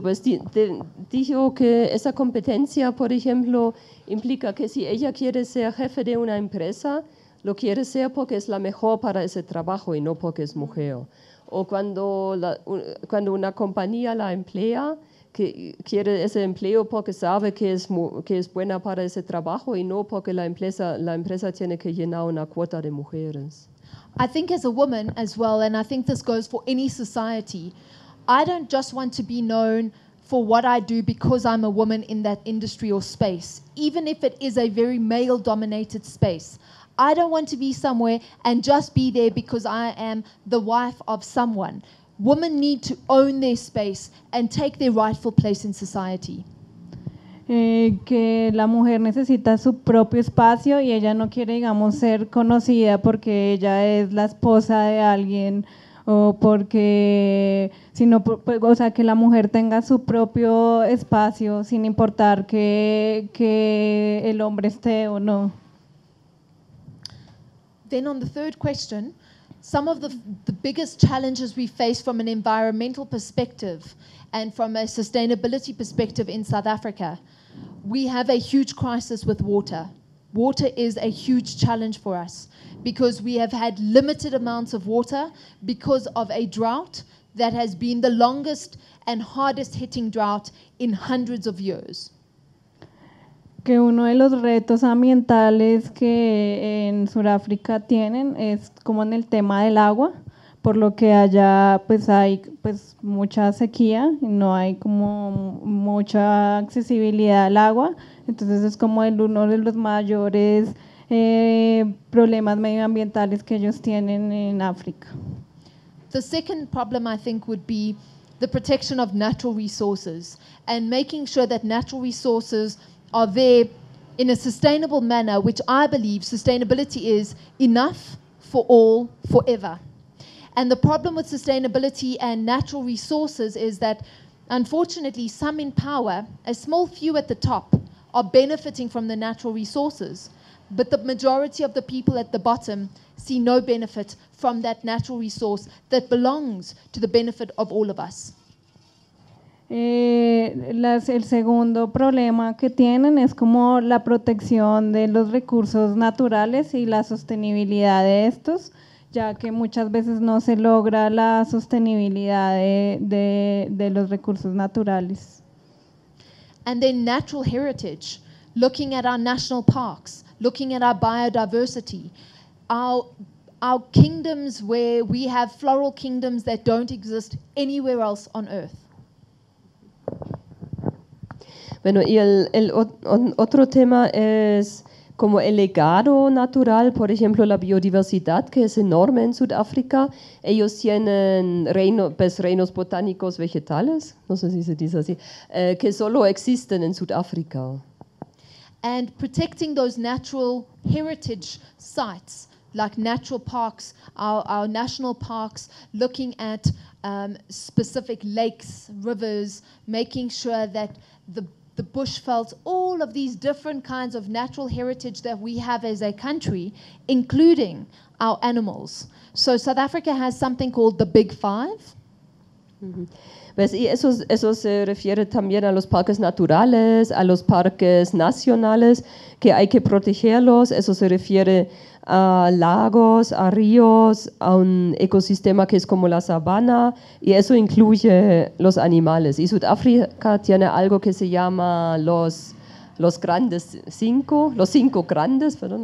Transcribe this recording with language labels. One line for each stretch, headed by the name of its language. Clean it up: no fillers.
Spanish: Pues dijo que esa competencia, por ejemplo, implica que si ella quiere ser jefe de una empresa, lo quiere ser porque es la mejor para ese trabajo y no porque es mujer. O cuando una compañía la emplea, que quiere ese empleo porque sabe que es buena para ese trabajo y no porque la empresa tiene que llenar una cuota de mujeres.
English: I think as a woman as well, and I think this goes for any society, I don't just want to be known for what I do because I'm a woman in that industry or space, even if it is a very male-dominated space. I don't want to be somewhere and just be there because I am the wife of someone. Women need to own their space and take their rightful place in society.
Spanish: Que la mujer necesita su propio espacio y ella no quiere, digamos, ser conocida porque ella es la esposa de alguien o porque, sino, o sea, que la mujer tenga su propio espacio sin importar que el hombre esté o no.
English: Then on the third question, some of the biggest challenges we face from an environmental perspective and from a sustainability perspective in South Africa. We have a huge crisis with water. Water is a huge challenge for us because we have had limited amounts of water because of a drought that has been the longest and hardest hitting drought in hundreds of years.
Spanish: Que uno de los retos ambientales que en Sudáfrica tienen es como en el tema del agua, por lo que allá pues hay pues mucha sequía y no hay como mucha accesibilidad al agua, entonces es como el uno de los mayores problemas medioambientales que ellos tienen en África.
English: The second problem I think would be the protection of natural resources and making sure that natural resources are there in a sustainable manner, which I believe sustainability is enough for all forever. And the problem with sustainability and natural resources is that, unfortunately, some in power, a small few at the top, are benefiting from the natural resources, but the majority of the people at the bottom see no benefit from that natural resource that belongs to the benefit of all of us.
Spanish: El segundo problema que tienen es como la protección de los recursos naturales y la sostenibilidad de estos, ya que muchas veces no se logra la sostenibilidad de los recursos naturales.
English: And then natural heritage, looking at our national parks, looking at our biodiversity, our kingdoms where we have floral kingdoms that don't exist anywhere else on earth.
Spanish: Bueno, y el otro tema es como el legado natural, por ejemplo, la biodiversidad, que es enorme en Sudáfrica. Ellos tienen reinos botánicos vegetales, no sé si se dice así, que solo existen en Sudáfrica.
English: And protecting those natural heritage sites, like natural parks, our national parks, looking at specific lakes, rivers, making sure that the bush felt, all of these different kinds of natural heritage that we have as a country, including our animals. So South Africa has something called the Big Five. Mm-hmm.
Spanish: Pues, y eso se refiere también a los parques naturales, a los parques nacionales, que hay que protegerlos. Eso se refiere a lagos, a ríos, a un ecosistema que es como la sabana, y eso incluye los animales. Y Sudáfrica tiene algo que se llama los cinco grandes.